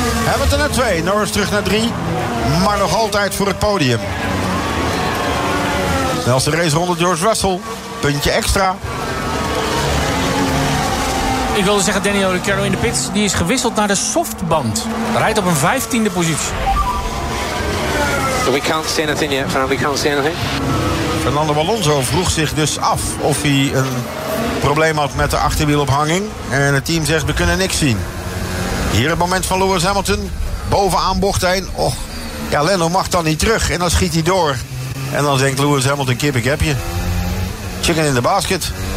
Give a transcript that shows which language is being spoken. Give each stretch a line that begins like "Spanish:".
Dutch: Hamilton naar 2, Norris terug naar 3. Maar nog altijd voor het podium. Snelste race ronde George Russell. Puntje extra. Ik wilde zeggen, Daniel Ricciardo in de pits. Die is gewisseld naar de softband. Rijdt op een 15e positie.
English: We can't see anything yet, Fernando. We can't see anything.
Dutch: Fernando Alonso vroeg zich dus af of hij een probleem had met de achterwielophanging. En het team zegt, we kunnen niks zien. Hier het moment van Lewis Hamilton. Bovenaan bocht heen. Och, ja, Lando mag dan niet terug. En dan schiet hij door. En dan denkt Lewis Hamilton, kip, ik heb je.
English: Chicken in the basket.